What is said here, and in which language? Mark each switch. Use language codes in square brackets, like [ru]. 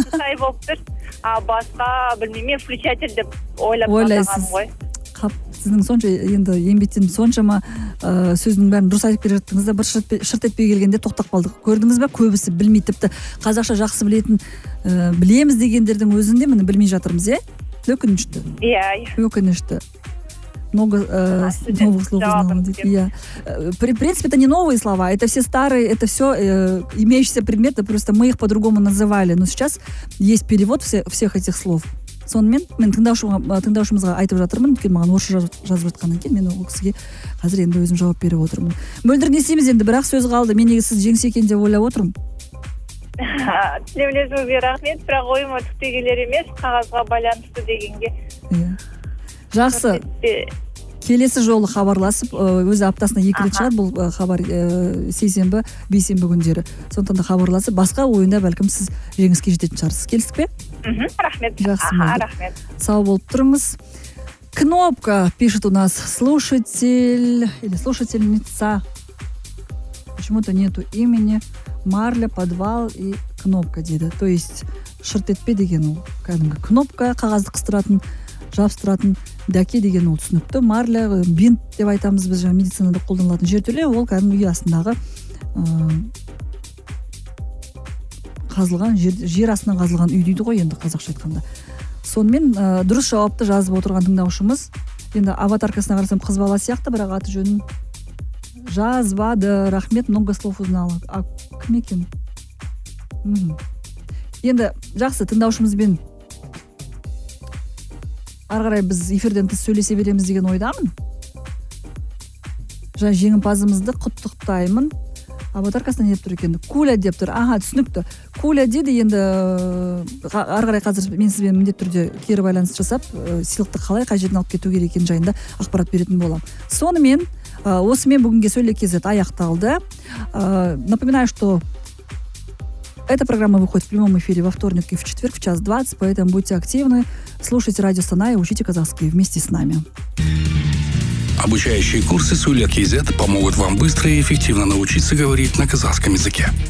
[kk] Сай болып тұр, а басқа білмеймін, включатель деп ойлайсыз. Сіздің сонша енді еңбеттеніп соншама сөздің бәрін дұрыс айтып келе жаттыңыз да, бір шырт етпей келгенде тоқтап қалдық. Көрдіңіз бе, көбісі білмейді, тіпті қазақша жақсы білетін білеміз дегендердің өзінде міне білмей жатырмыз, иә? Өкінішті. Иә. Өкінішті. [ru] Много новых слов узнала. Я. В принципе, это не новые слова, это все старые, это все имеющиеся предметы, просто мы их по-другому называли, но сейчас есть перевод всех этих слов. [kk] Сонымен мен тыңдаушымызға айтып жатырмын, өйткені маған орысша жазып жатқаннан кейін мен ол кісіге қазір енді өзім жауап беріп отырмын. Мөлдір, не істейміз енді, бірақ сөз қалды. Мен негізі сіз жеңсе екен деп ойлап отырмын. Тілеулесіңізге рахмет, бірақ ойыма түкте келер емес, қағазға байланысты дегенге. Жақсы, келесі жолы хабарласып, өзі аптасына екі рет шығады бұл хабар, сейсенбі, бейсенбі күндері. Сондықтан да хабарласып, басқа ойында бәлкім сіз жеңіске жететін шығарсыз. Келістік пе? Рахмет. Жақсы, рахмет. Сау болып тұрыңыз. [ru] Кнопка пишет у нас слушатель или слушательница. почему-то нету имени Марля, подвал и кнопка, деді. То есть [kk] шыртетпе деген ол, кәдімгі кнопка, қағазды қыстыратын, жабыстыратын, дәке деген ол түсінікті. Марля, бинт деп айтамыз біз жаңа медицинада қолданылатын жертөле, ол кәдімгі үй астындағы қазылған жер астынан қазылған үй дейді ғой енді қазақша айтқанда. Сонымен дұрыс жауапты жазып отырған тыңдаушымыз. Енді аватаркасына қарасам қыз бала сияқты, бірақ аты жөнін жазбады. [ru] Рахмет, много слов узнала. [kk] А кім екен? Енді жақсы, тыңдаушымызбен ары қарай біз эфирден тыс сөйлесе береміз деген ойдамын. Жаңа жеңімпазымызды құттықтаймын. Аватаркасына не деп тұр екен? Куля деп тұр. Аха, түсінікті. Куля деді, енді ары қарай қазір мен сізбен міндетті түрде кері байланыс жасап, сыйлықты қалай қай жерден алып кету керек екенін жайында ақпарат беретін боламын. Сонымен осымен бүгінге сөйле кезет аяқталды. [ru] Напоминаю, что эта программа выходит в прямом эфире во вторник и в четверг в час 20, поэтому будьте активны, слушайте радио Астана и учите казахский вместе с нами. Обучающие курсы Сулья.кз помогут вам быстро и эффективно научиться говорить на казахском языке.